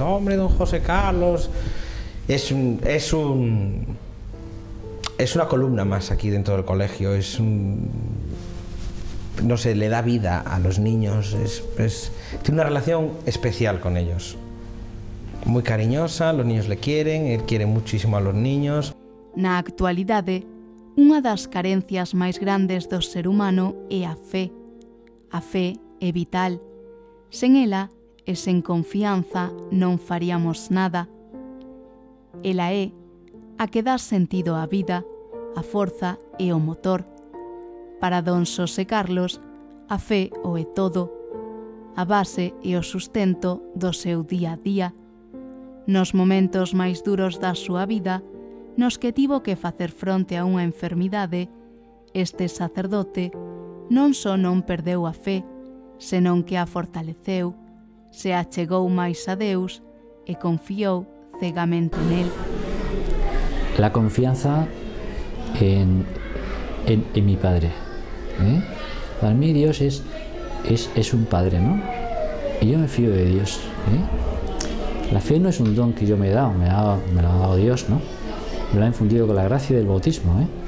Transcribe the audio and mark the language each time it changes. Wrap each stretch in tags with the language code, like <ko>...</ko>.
<es>¡Hombre, don José Carlos! Es una columna más aquí dentro del colegio, es un... No sé, le da vida a los niños, tiene una relación especial con ellos. Muy cariñosa, los niños le quieren, él quiere muchísimo a los niños.</es> <gl>Na actualidade, unha das carencias máis grandes do ser humano é a fé. A fé é vital. Sen ela e sen confianza non faríamos nada. Ela é a que dá sentido á vida, a forza e o motor. Para don Xosé Carlos, a fé o é todo, a base e o sustento do seu día a día. Nos momentos máis duros da súa vida, nos que tivo que facer fronte a unha enfermidade, este sacerdote non só non perdeu a fé, senón que a fortaleceu, se achegou máis a Deus e confiou cegamente nel.</gl> <es>La confianza en mi padre, ¿eh? Para mí Dios es un padre, ¿no? Y yo me fío de Dios, ¿eh? La fe no es un don que yo me he dado, me lo ha dado Dios, ¿no? Me lo ha infundido con la gracia del bautismo, ¿eh?</es>